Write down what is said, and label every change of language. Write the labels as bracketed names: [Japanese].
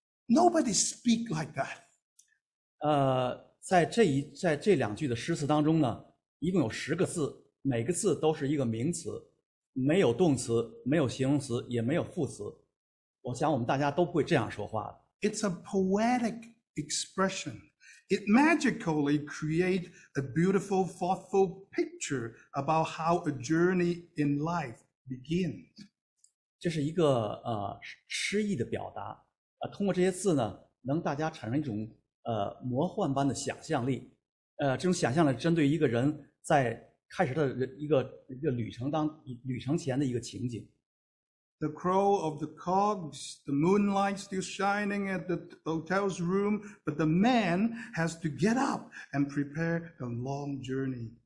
[English] Nobody speak like that. [Chinese] 在这两句的诗词当中呢，一共有十个字，每个字都是一个名词，没有动词，没有形容词，也没有副词。我想我们大家都不会这样说话。 [English] It's a poetic expression. It magically creates a beautiful, thoughtful picture about how a journey in life. Begin. [Chinese] 这是一个诗意的表达，通过这些字呢，能大家产生一种魔幻般的想象力，这种想象呢，针对一个人在开始的一个旅程前的一个情景。 [English] The crow of the cogs, the moonlight still shining at the hotel's room, but the man has to get up and prepare a long journey